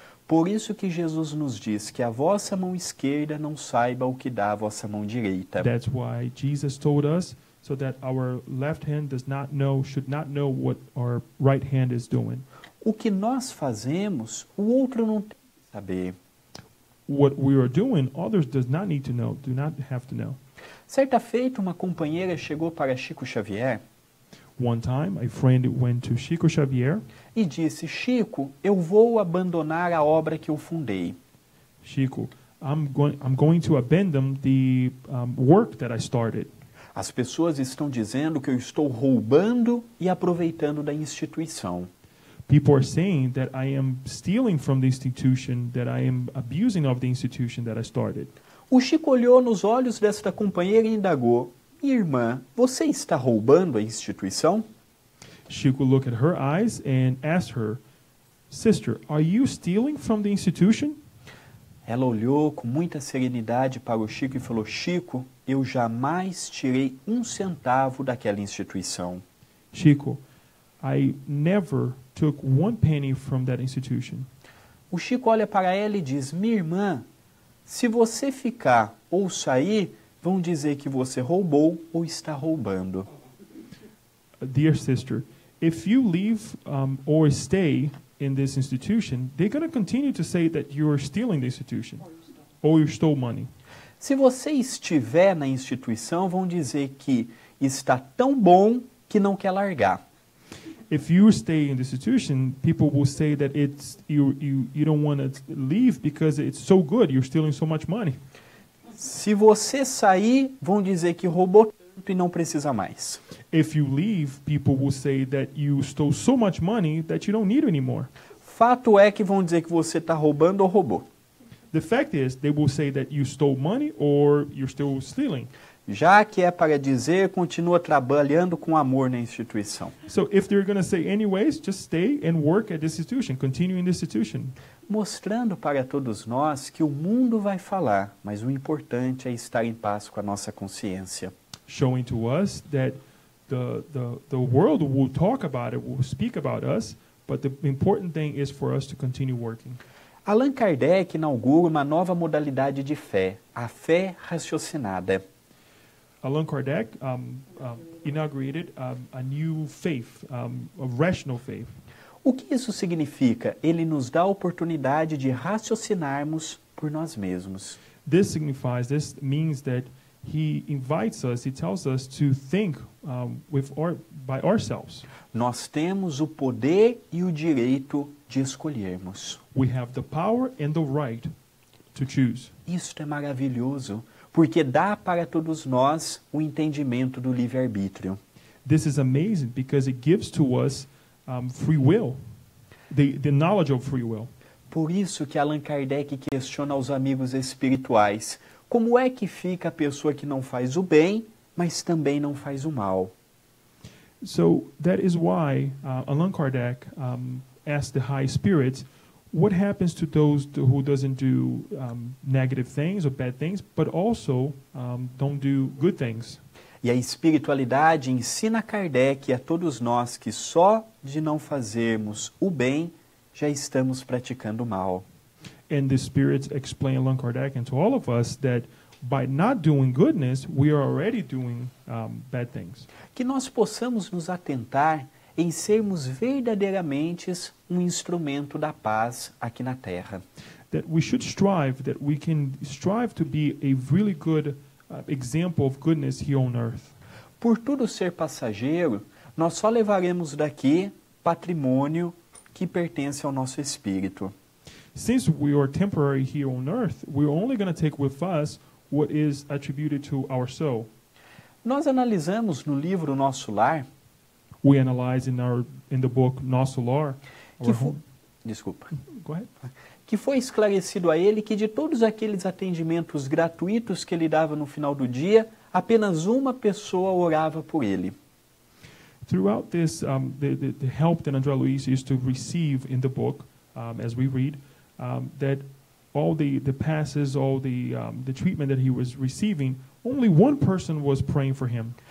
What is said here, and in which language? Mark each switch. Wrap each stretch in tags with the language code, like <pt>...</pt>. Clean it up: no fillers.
<pt>Por isso que Jesus nos diz que a vossa mão esquerda não saiba o que dá a vossa mão direita.</pt> <en>That's why Jesus told us so that our left hand does not know, should not know what our right hand is doing.</en> <pt>O que nós fazemos, o outro não tem que saber.</pt> <en>What we are doing, others does not need to know, do not have to know.</en> <pt>Certa feita, uma companheira chegou para Chico Xavier.</pt> <en>One time, a friend went to Chico Xavier</en> <pt>e disse: Chico, eu vou abandonar a obra que eu fundei.</pt> <en>Chico, I'm going to abandon the work that I started.</en> <pt>As pessoas estão dizendo que eu estou roubando e aproveitando da instituição.</pt> <en>People are saying that I am stealing from the institution, that I am abusing of the institution that I started.</en> <pt>O Chico olhou nos olhos desta companheira e indagou: Irmã, você está roubando a instituição?</pt> <en>Chico looked at her eyes and asked her, Sister, are you stealing from the institution?</en> <pt>Ela olhou com muita serenidade para o Chico e falou: Chico, eu jamais tirei um centavo daquela instituição.</pt> <en>Chico, I never took one penny from that institution.</en> <pt>O Chico olha para ela e diz: Minha irmã, se você ficar ou sair, vão dizer que você roubou ou está roubando.</pt> <en>Dear sister, if you leave or stay in this institution, they're going to continue to say that you're stealing the institution or you stole money.</en> <pt>Se você estiver na instituição, vão dizer que está tão bom que não quer largar.</pt> <en>If you stay in the institution, people will say that it's you don't want to leave because it's so good, you're stealing so much money.</en> <pt>Se você sair, vão dizer que roubou tanto e não precisa mais.</pt> <en>If you leave, people will say that you stole so much money that you don't need it anymore.</en> <pt>Fato é que vão dizer que você está roubando ou roubou.</pt> <en>The fact is, they will say that you stole money or you're still stealing.</en> <pt>Já que é para dizer, continua trabalhando com amor na instituição.</pt> <en>So if they're going to say anyways, just stay and work at this institution, continue in the institution.</en> <pt>Mostrando para todos nós que o mundo vai falar, mas o importante é estar em paz com a nossa consciência.</pt> <en>Showing to us that the world will talk about it, will speak about us, but the important thing is for us to continue working.</en> <pt>Allan Kardec inaugura uma nova modalidade de fé, a fé raciocinada.</pt> <en>Allan Kardec inaugurated a new faith, a rational faith.</en> <pt>O que isso significa? Ele nos dá a oportunidade de raciocinarmos por nós mesmos.</pt> <en>This signifies, this means that he invites us, he tells us to think by ourselves.</en> <pt>Nós temos o poder e o direito de escolhermos.</pt> <en>We have the power and the right to choose.</en> <pt>Isto é maravilhoso, porque dá para todos nós o entendimento do livre-arbítrio.</pt> <en>This is amazing because it gives to us free will, the knowledge of free will.</en> <pt>Por isso que Allan Kardec questiona aos amigos espirituais: como é que fica a pessoa que não faz o bem, mas também não faz o mal?</pt> <en>So that is why Allan Kardec asked the high spirits, what happens to those who doesn't do negative things or bad things, but also don't do good things?</en> <pt>E a espiritualidade ensina Kardec e a todos nós que só de não fazermos o bem, já estamos praticando o mal.</pt> <en>And the spirits explain Allan Kardec and to all of us that by not doing goodness, we are already doing bad things.</en> <pt>Que nós possamos nos atentar em sermos verdadeiramente um instrumento da paz aqui na Terra.</pt> <en>That we should strive, that we can strive to be a really good example of goodness here on earth.</en> <pt>Por tudo ser passageiro, nós só levaremos daqui patrimônio que pertence ao nosso espírito.</pt> <en>Since we are temporary here on earth, we're only going to take with us what is attributed to our soul.</en> <pt>Nós analisamos no livro Nosso Lar.</pt> <en>We analyze in the book Nosso Lar.</en> <pt>Desculpa.</pt> <en>Go ahead.</en> <pt>Que foi esclarecido a ele que de todos aqueles atendimentos gratuitos que ele dava no final do dia, apenas uma pessoa orava por ele.</pt> <en>Throughout this, the help that André Luiz used to receive in the book, as we read, that all the passes, all the treatment that he was receiving, only one person was praying for him.</en>